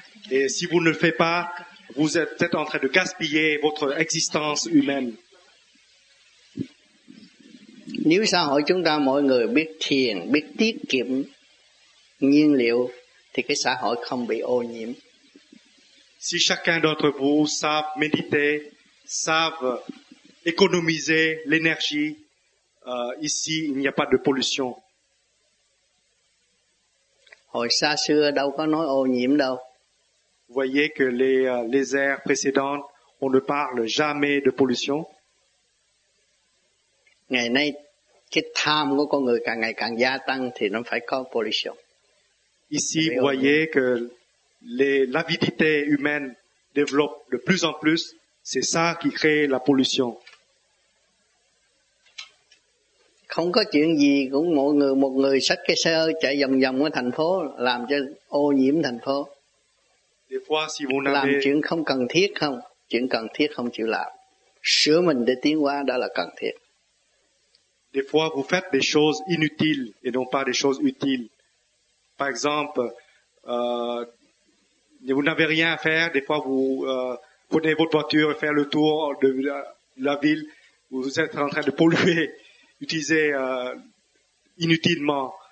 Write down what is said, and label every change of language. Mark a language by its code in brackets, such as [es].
[fr] Et si vous ne le faites pas, vous êtes peut-être en train de gaspiller votre existence humaine. [vi] Nếu xã hội chúng ta mọi người biết thiền, biết tiết kiệm nhiên liệu thì cái xã hội không bị ô nhiễm. [fr] Si chacun d'entre vous savent méditer, savent économiser l'énergie, ici il n'y a pas de pollution. [vi] Hồi xa xưa đâu có nói ô nhiễm đâu. [fr] Vous voyez que les ères précédentes, on ne parle jamais de pollution. [vi] Ngày nay cái tham của con người càng ngày càng gia tăng thì nó phải có pollution. [fr] Ici vous voyez que l'avidité humaine développe de plus en plus, c'est ça qui crée la pollution. [vi] Không có chuyện gì cũng một người xách cái xe chạy vòng vòng ở thành phố làm cho ô nhiễm thành phố. [fr] Des fois, si vous [vi] làm chuyện không cần thiết không, chuyện cần thiết không chịu làm. Sửa mình để tiến hóa đó là cần thiết. [fr] Des fois, vous faites des choses inutiles et non pas des choses utiles. Par exemple, vous n'avez rien à faire. Des fois, vous prenez votre voiture et faites le tour de la ville. Vous êtes en train de polluer, utiliser inutilement.